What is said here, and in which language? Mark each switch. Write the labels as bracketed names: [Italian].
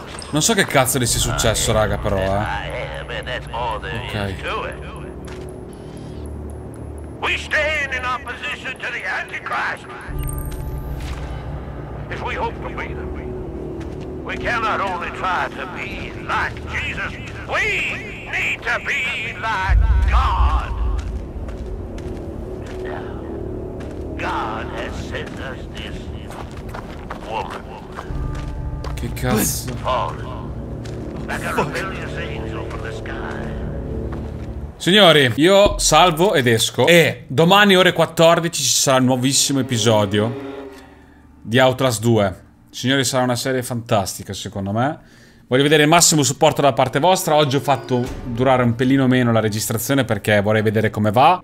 [Italian] Non so che cazzo gli sia successo, raga, però, eh. Ok. [English] We stand in opposition to the Antichrist. If we hope to be the We cannot only try to be like Jesus, we need to be like God. And now, God has sent us this woman. [Italian] Che cazzo? [English] Fallen, like a rebellious angel from the sky. [Italian] Signori, io salvo ed esco. E domani ore 14 ci sarà un nuovissimo episodio di Outlast 2. Signori, sarà una serie fantastica, secondo me. Voglio vedere il massimo supporto da parte vostra. Oggi ho fatto durare un pelino meno la registrazione perché vorrei vedere come va.